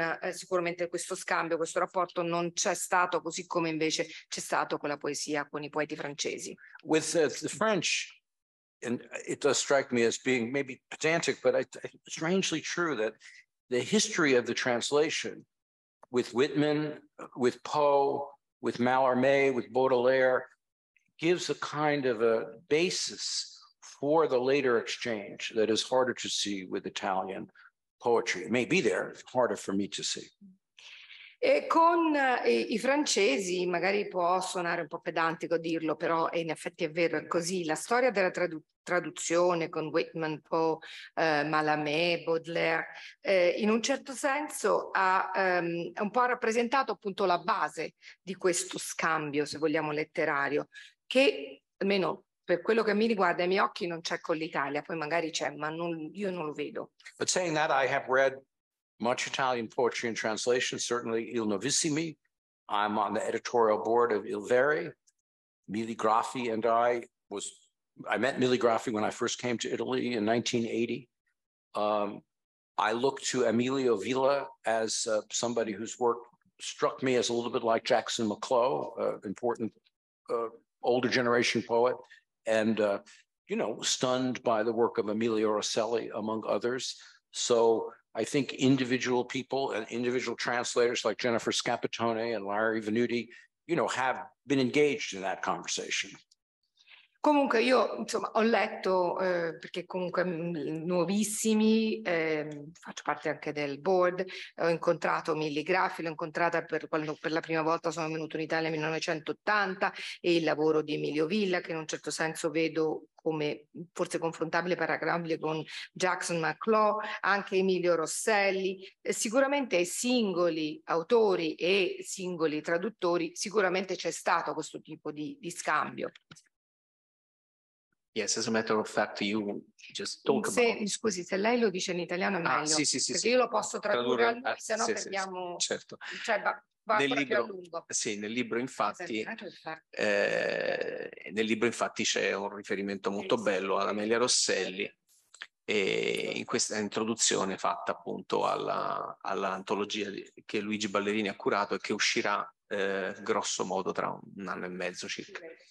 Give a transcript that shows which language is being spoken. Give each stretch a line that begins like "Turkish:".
Italian: Sicuramente questo scambio, questo rapporto non c'è stato, così come invece c'è stato con la poesia, con i poeti francesi.
English: With the French. And it does strike me as being maybe pedantic, but it's strangely true that the history of the translation with Whitman, with Poe, with Mallarmé, with Baudelaire, gives a kind of a basis for the later exchange that is harder to see with Italian poetry. It may be there, it's harder for me to see.
Italian: E con i francesi magari può suonare un po' pedantico dirlo, però in effetti è vero, è così. La storia della traduzione con Whitman, Poe, Mallarmé, Baudelaire, in un certo senso ha un po' rappresentato appunto la base di questo scambio, se vogliamo, letterario, che almeno per quello che mi riguarda, ai miei occhi non c'è con l'Italia, poi magari c'è, ma io non lo vedo.
English: But saying that, I have read much Italian poetry in translation, certainly Il Novissimi. I'm on the editorial board of Il Verri. Milligraffi and I met Milligraffi when I first came to Italy in 1980. I look to Emilio Villa as somebody whose work struck me as a little bit like Jackson McClough, important older generation poet, and stunned by the work of Emilio Rosselli, among others. So I think individual people and individual translators like Jennifer Scapitone and Larry Venuti, have been engaged in that conversation.
Italian: Comunque io insomma ho letto, perché comunque nuovissimi, faccio parte anche del board, ho incontrato Millie Graffi, l'ho incontrata per quando per la prima volta sono venuto in Italia nel 1980, e il lavoro di Emilio Villa, che in un certo senso vedo come forse confrontabile, paragonabile con Jackson McLaw, anche Emilio Rosselli, sicuramente singoli autori e singoli traduttori, sicuramente c'è stato questo tipo di scambio.
English: Yes, as a matter of fact, you just talk
Italian: se,
English: about...
Italian: Scusi, se lei lo dice in italiano è meglio, sì. Io lo posso tradurre a lui, se no perdiamo... Sì, certo. Cioè, va nel libro, più a lungo. Sì, nel libro, infatti, c'è un riferimento molto bello ad Amelia Rosselli, e in questa introduzione fatta appunto all'antologia che Luigi Ballerini ha curato e che uscirà grosso modo tra un anno e mezzo circa.